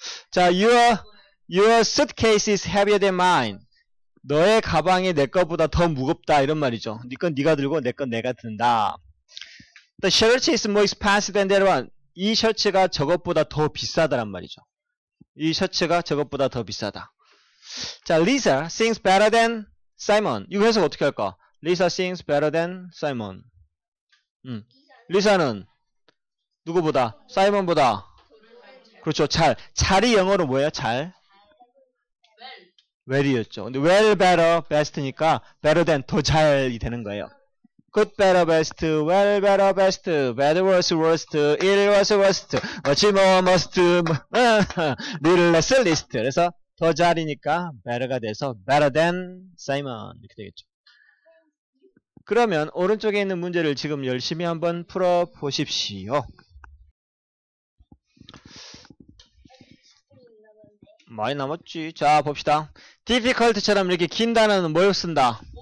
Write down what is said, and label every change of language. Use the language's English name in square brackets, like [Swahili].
[English] 자, your suitcase is heavier than mine. [Korean] 너의 가방이 내 것보다 더 무겁다. 이런 말이죠. 니 건 니가 들고 내 건 내가 든다. [English] The shirt is more expensive than that one. [Korean] 이 셔츠가 저것보다 더 비싸다란 말이죠. 이 셔츠가 저것보다 더 비싸다. [English] 자, Lisa sings better than Simon. [Korean] 이거 해석 어떻게 할까? [English] Lisa sings better than Simon. [Korean] Lisa는 누구보다? Simon보다. 그렇죠. 잘. 잘이 영어로 뭐예요? 잘. Well이었죠. 근데 well, better, best니까 better than 더 잘이 되는 거예요. [English] Good, better, best, well, better, best, bad, worse, worst, ill, worse, worst, much more, must, little, less, least. [Korean] 그래서 더 잘이니까 better가 돼서 [English] better than Simon [Korean] 이렇게 되겠죠. 그러면 오른쪽에 있는 문제를 지금 열심히 한번 풀어보십시오. 많이 남았지. 자, 봅시다. Difficult처럼 이렇게 긴 단어는 뭘 쓴다?